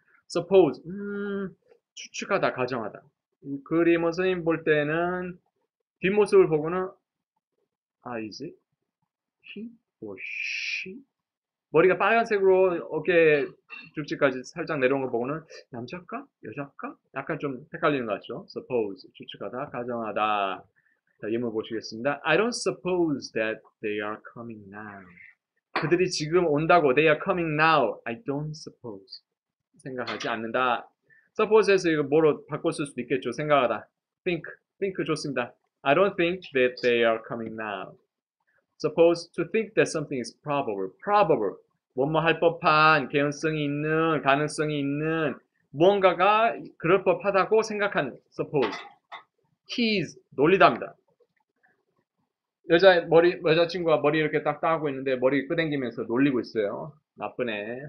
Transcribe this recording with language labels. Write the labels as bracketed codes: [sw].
[ko] Suppose, 추측하다, 가정하다. 이 그림을 선생님 볼 때는 뒷모습을 보고는 아, [en] is it he or she? [ko] 머리가 빨간색으로 어깨 줄지까지 살짝 내려온 거 보고는 남자일까? 여자일까? 약간 좀 헷갈리는 것 같죠? Suppose, 추측하다, 가정하다. 자, 예문 보시겠습니다. [en] I don't suppose that they are coming now. [ko] 그들이 지금 온다고, [en] they are coming now. I don't suppose. [ko] 생각하지 않는다. Suppose에서 이거 뭐로 바꿨을 수도 있겠죠? 생각하다. [en] Think, think 좋습니다. I don't think that they are coming now. Suppose to think that something is probable. Probable. [ko] 뭐뭐 할 법한, 개연성이 있는, 가능성이 있는, 무언가가 그럴 법하다고 생각한. [en] Suppose. He's 놀리답니다. [ko] 여자친구가 머리 이렇게 딱 따고 있는데 머리 끄댕기면서 놀리고 있어요. 나쁘네.